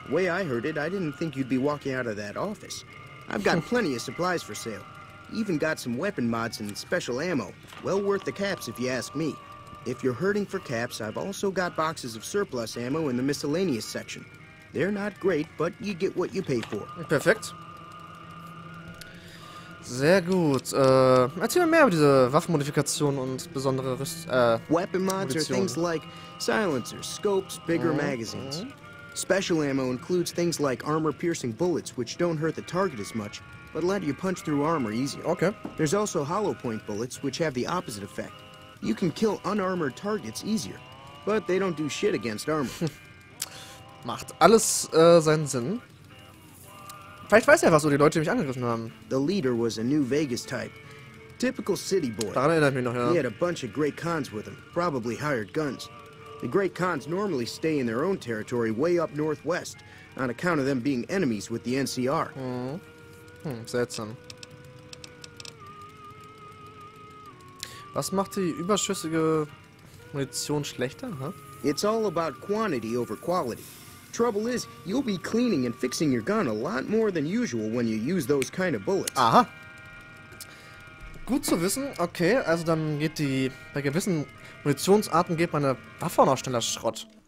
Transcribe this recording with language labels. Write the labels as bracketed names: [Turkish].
[English] The way I heard it, I didn't think you'd be walking out of that office. I've got plenty of supplies for sale. Even got some weapon mods and special ammo. Well worth the caps if you ask me. If you're hurting for caps, I've also got boxes of surplus ammo in the miscellaneous section. They're not great, but you get what you pay for. [German] Perfekt. Sehr gut. Erzähl mir mehr über diese Waffenmodifikation und besondere [English] Weapon mods are things like silencers, scopes, bigger magazines. Special ammo includes things like armor-piercing bullets, which don't hurt the target as much, but let you punch through armor easier. Okay. There's also hollow point bullets, which have the opposite effect. You can kill unarmored targets easier, but they don't do shit against armor. [German] Macht alles seinen Sinn. Vielleicht weiß er was, wo die Leute mich angegriffen haben. [English] The leader was a New Vegas type. Typical city boy. [German] Daran erinnere ich mich noch, ja. [English] He had a bunch of great cons with him. Probably hired guns. The great cons normally stay in their own territory way up northwest on account of them being enemies with the NCR. [German] Seltsam. Was macht die überschüssige Munition schlechter, hä? [English] It's all about quantity over quality. Trouble is, you'll be cleaning and fixing your gun a lot more than usual when you use those kind of bullets. [German] Aha. Gut zu wissen. Okay, also dann geht die... Bei gewissen Munitionsarten geht meine Waffe auch noch schneller Schrott.